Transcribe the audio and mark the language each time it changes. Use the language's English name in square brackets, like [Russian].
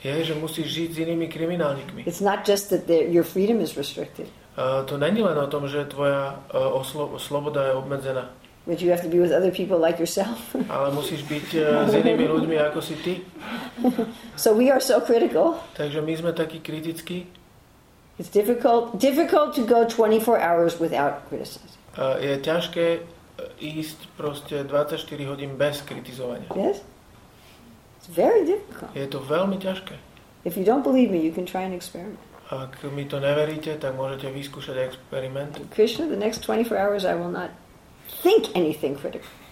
[Slovak] Je, že musíš žiť s inými kriminálnikmi. [English] It's not just that your freedom is restricted. [Slovak] To není len o tom, že tvoja sloboda je obmedzená. [English] But you have to be with other people like yourself. [Slovak] Ale musíš byť s inými ľuďmi ako si ty. [English] So we are so critical. [Slovak] Takže my sme takí kritickí. [English] It's difficult to go 24 hours without criticism. [Slovak] Je ťažké ísť proste 24 hodín bez kritizovania. [English] Yes? It's very difficult. [Slovak] Je to veľmi ťažké. [English] If you don't believe me, you can try an experiment. [Slovak] Ak mi to neveríte, tak môžete vyskúšať experiment. [English] Krishna, the next 24 hours I will not think anything critical.